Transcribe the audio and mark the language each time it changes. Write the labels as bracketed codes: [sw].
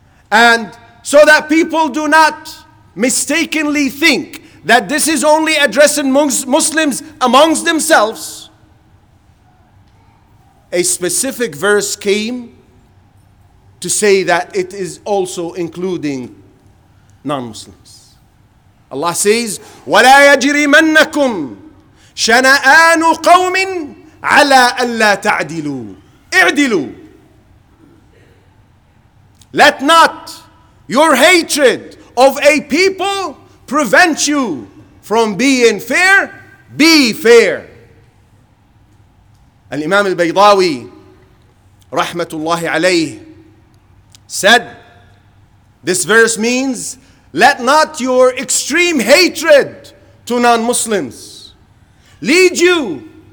[en] And so that people do not mistakenly think that this is only addressing Muslims amongst themselves, a specific verse came to say that it is also including non-Muslims. Allah says, [ar] وَلَا يَجْرِمَنَّكُمْ شَنَآنُ قَوْمٍ عَلَىٰ أَلَّا تَعْدِلُوا. اِعْدِلُوا. [en] Let not your hatred of a people prevent you from being fair. Be fair. Al-Imam al-Baydawi, rahmatullahi alayh, said, this verse means, let not your extreme hatred to non-Muslims lead you